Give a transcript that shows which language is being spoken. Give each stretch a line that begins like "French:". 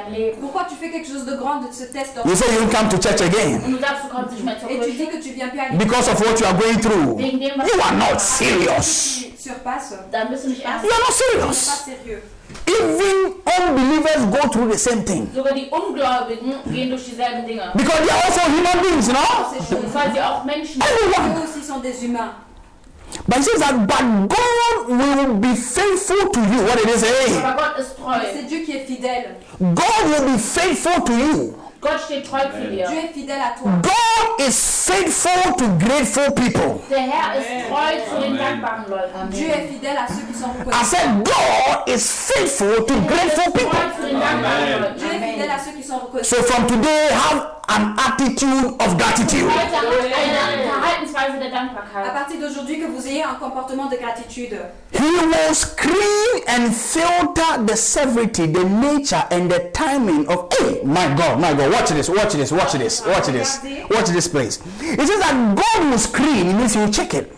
English: You say you come to church again. Because of what you are going through. You are not serious. You're not serious. Even unbelievers go through the same thing.
German: Sogar die Ungläubigen gehen durch dieselben Dinge.
English: Because they are also human beings, no? Everyone. But it says that, but God will be faithful to you. What did he say?
German: God is treu.
French: C'est Dieu qui est fidèle.
English: God will be faithful to you.
German: Gott steht treu zu dir.
French: Dieu est fidèle à toi.
English: God is faithful to grateful people.
German: Der Herr ist treu zu den dankbaren Leuten.
French: Dieu est fidèle à ceux qui sont reconnus.
English: I said God is faithful to grateful people.
French: Dieu est fidèle à ceux qui sont reconnus.
English: So from today, have an attitude of gratitude.
French: À partir d'aujourd'hui, que vous ayez un comportement de gratitude.
English: He will screen and filter the severity, the nature, and the timing of. Hey, my God, watch this, please. It says that God will screen, it means he will check it.